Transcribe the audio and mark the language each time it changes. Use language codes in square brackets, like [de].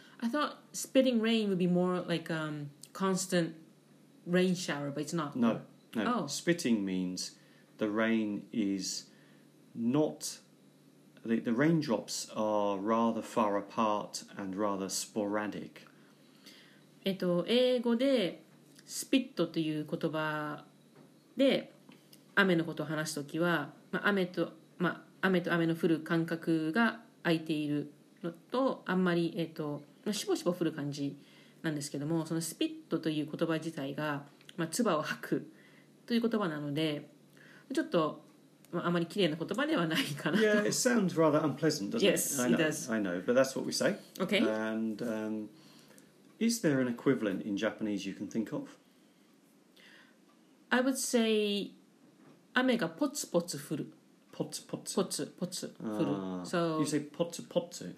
[en] I thought spitting rain would be more like constant rain shower, but it's not. No. No. Oh. Spitting means the rain is not... The raindrops are rather far apart and rather sporadic. [ja] 英語で spit という言葉で雨のことを話すときは、まあ、雨と雨の降る間隔が空いているのとあんまり、しぼしぼ降る感じなんですけども、その spit という言葉自体が、まあ、唾を吐くという言葉なので、ちょっと、まあ、あまり綺麗な言葉ではないかな。 [en] Yeah, it sounds rather unpleasant, doesn't yes, it? Yes, it does. I know, but that's what we say. Okay. And is there an equivalent in Japanese you can think of? I would say [ja] 雨がポツポツ降る。ポツポツ。ポツポツ降る。So, [en] you say ポツポツ like